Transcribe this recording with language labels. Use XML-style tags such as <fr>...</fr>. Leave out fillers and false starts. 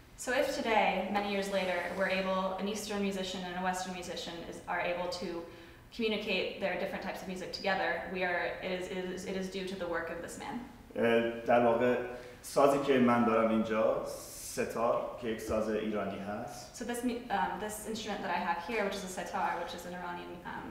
<en>So if today, many years later, we're able, an Eastern musician and a Western musician are able to communicate their different types of music together, it is due to the work of this man.</en> <fa>در واقع سازی که من دارم اینجا سه‌تار که یک ساز ایرانی هست.</fa> <en>So this this instrument that I have here, which is a sitar, which is an Iranian</en>